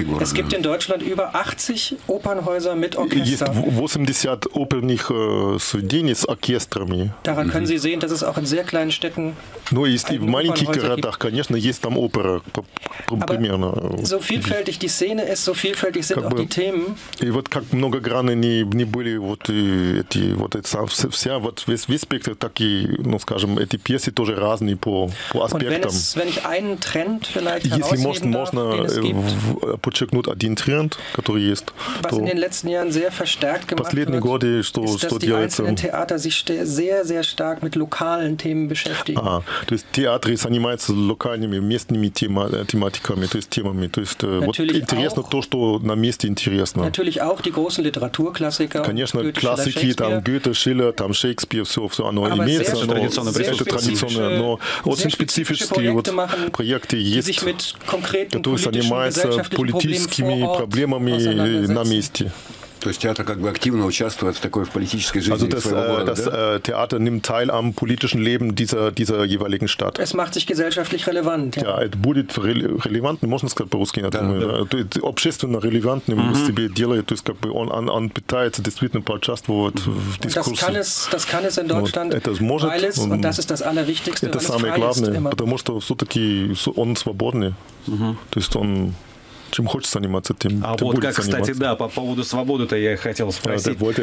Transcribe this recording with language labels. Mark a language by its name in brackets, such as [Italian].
[German] Es gibt in Deutschland über 80 Opernhäuser mit Orchester. [Russian] 80 оперных заведений с оркестрами. [German] Daran können Sie sehen, dass es auch in sehr kleinen Städten [Russian] Ну, есть в маленьких городах, конечно, есть там опера. Примерно. [German] So vielfältig die Szene ist, so vielfältig sind auch die Themen. [Russian] И вот как многогранны не были вот эти вот это вся вот весь спектр, так и, ну, скажем, эти пьесы тоже разные по аспектам. [German] Wenn ich einen Trend vielleicht herausheben darf, den es gibt, [Russian] подчеркнуть один тренд, который есть. [German] Was in den letzten Jahren sehr verstärkt gemacht wird. [Russian] Последние годы что делается? [German] Die einzelnen Theater sich sehr stark mit lokalen Themen beschäftigen. [Russian] А, то есть театр занимается локальными местными темами. Тематиками, то есть темами. То есть вот интересно то, что на месте интересно. [German] Natürlich auch die großen Literaturklassiker. [Russian] Конечно, классики, там Гёте, Шиллер, там Шекспир, все оно имеется. Это традиционное, но очень специфические проекты есть, которые занимаются политическими проблемами на месте. То есть театр как бы активно участвует в такой в политической жизни своего города, да? [German] Театр nimmt teil am politischen Leben dieser jeweiligen Stadt. Es macht sich gesellschaftlich relevant. [Russian] Ja, это будет релевантным, можно сказать по-русски, я думаю. Общественно релевантным себе делает, то есть как бы он пытается действительно поучаствовать в дискуссии. [German] Das kann es in Deutschland, [Russian] это может, [German] weil es, und das ist das Allerwichtigste, [Russian] это самое главное, потому что все-таки он свободный. То есть он чем хочешь заниматься, тем будешь заниматься. А вот как, кстати, да, по поводу свободы-то я хотел спросить.